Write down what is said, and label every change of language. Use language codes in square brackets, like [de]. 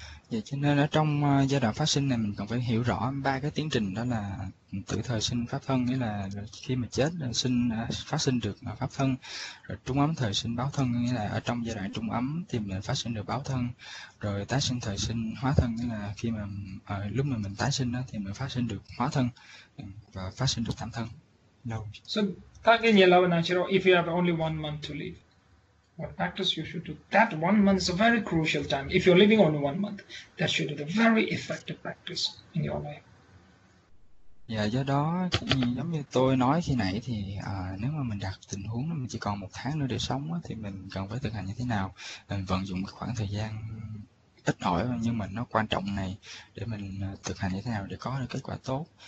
[vi] Vậy cho nên ở trong giai đoạn phát sinh này mình cần phải hiểu rõ ba cái tiến trình, đó là tử thời sinh pháp thân, nghĩa là khi mà chết sinh phát sinh được pháp thân, rồi trung ấm thời sinh báo thân, nghĩa là ở trong giai đoạn trung ấm thì mình phát sinh được báo thân, rồi tái sinh thời sinh hóa thân, nghĩa là khi mà lúc mà mình tái sinh đó thì mình phát sinh được hóa thân và phát sinh được tam thân. [en] No. So tag in your love natural if you have only 1 month to live. What practice you should do? That 1 month is a very crucial time. If you're living only 1 month, that should be the very effective practice in your life. [vi] Và do đó giống như tôi nói khi nãy thì nếu mà mình đặt tình huống mình chỉ còn 1 tháng nữa để sống thì mình cần phải thực hành như thế nào, mình vận dụng khoảng thời gian ít ỏi nhưng mà nó quan trọng này để mình thực hành như thế nào để có được kết quả tốt.